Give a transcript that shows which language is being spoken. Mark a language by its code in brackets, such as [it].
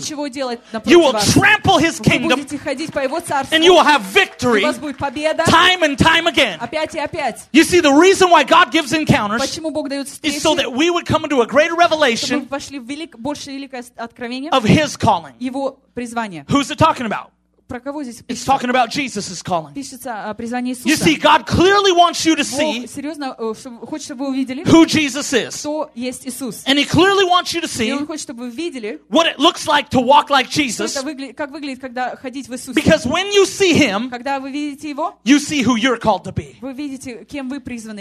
[ru] Он не может ничего делать напротив вас. [en] You will trample his kingdom [ru] вы будете ходить по его царству, [en] and you will have victory time and time again. [ru] Опять и опять. [en] You see, the reason why God gives encounters [ru] почему Бог дает встречи, [en] is so that we would come into a greater revelation [ru] чтобы вы вошли в большее великое откровение [en] of his calling. [ru] Его призвание. [en] Who's it talking about? [ru] Про кого здесь пишется? [en] It's talking about Jesus' calling. [ru] Пишется о призвании Иисуса. [en] You see, God clearly wants you to see [ru] Бог серьезно хочет, чтобы вы увидели [en] who Jesus is. [ru] Кто есть Иисус. [en] And he clearly wants you to see [ru] и Он хочет, чтобы вы видели [en] what it looks like to walk like Jesus. [ru] Как выглядит, когда ходить в Иисусе. [en] Because when you see him, [ru] когда вы видите Его, [en] you see who you're called to be. [ru] Вы видите, кем вы призваны.